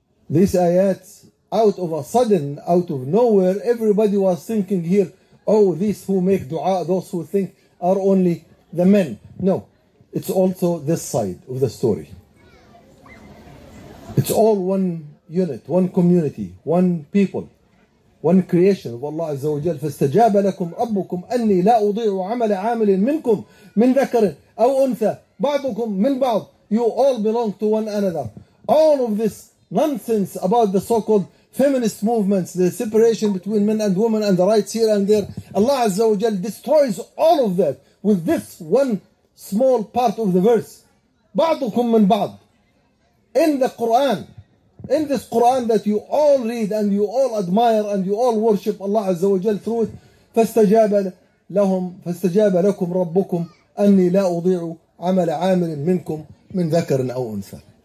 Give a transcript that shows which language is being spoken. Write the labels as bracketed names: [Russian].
[English] These ayat, out of a sudden, out of nowhere, everybody was thinking here, oh, these who make dua, those who think are only the men. No, it's also this side of the story. It's all one unit, one community, one people, one creation. [Arabic] والله عز وجل فاستجاب لكم ربكم أني لا أضيع عمل عامل منكم من ذكر أو أنثى بعضكم من بعض. [English] You all belong to one another. All of this nonsense about the so-called feminist movements, the separation between men and women and the rights here and there, Allah عز وجل destroys all of that with this one small part of the verse. [Arabic] بعضكم من بعض. [English] In the Quran, in this Quran that you all read and you all admire and you all worship Allah Azza wa Jal through it, [Arabic] فَاسْتَجَابَ لَكُمْ رَبُّكُمْ أَنِّي لَا أُضِيعُ عَمَلَ عَامِلٍ مِنْكُمْ مِنْ ذَكَرٍ أَوْ أُنْثَى.